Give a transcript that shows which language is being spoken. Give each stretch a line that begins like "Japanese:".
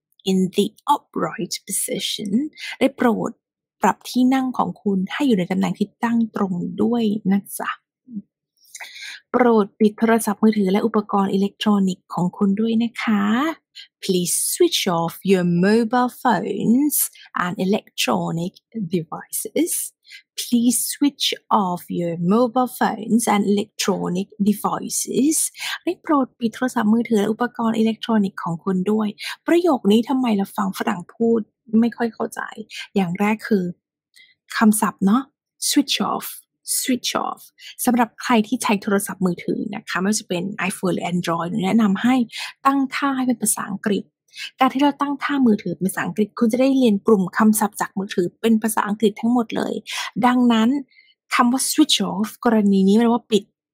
English: in the upright position
Thai: ได้โปรดปรับที่นั่งของคุณให้อยู่ในตำแหน่งที่ตั้งตรงด้วยนะจ๊ะโปรดปิดโทรศัพท์มือถือและอุปกรณ์อิเล็กทรอนิกส์ของคุณด้วยนะคะ
English: Please switch off your mobile phones and electronic devices. Please switch off your mobile phones and electronic devices.
Thai: ได้โปรดปิดโทรศัพท์มือถือและอุปกรณ์อิเล็กทรอนิกส์ของคุณด้วยประโยคนี้ทำไมเราฟังฝรั่งพูดไม่ค่อยเข้าใจอย่างแรกคือคำศัพท์เนาะ switch off สำหรับใครที่ใช้โทรศัพท์มือถือนะคะไม่ว่าจะเป็น iPhone หรือ Android แนะนำให้ตั้งท่าให้เป็นภาษาอังกฤษการที่เราตั้งท่ามือถือเป็นภาษาอังกฤษคุณจะได้เรียนกลุ่มคำศัพท์จากมือถือเป็นภาษาอังกฤษทั้งหมดเลยดังนั้นคำว่า switch off กรณีนี้แปลว่าปิด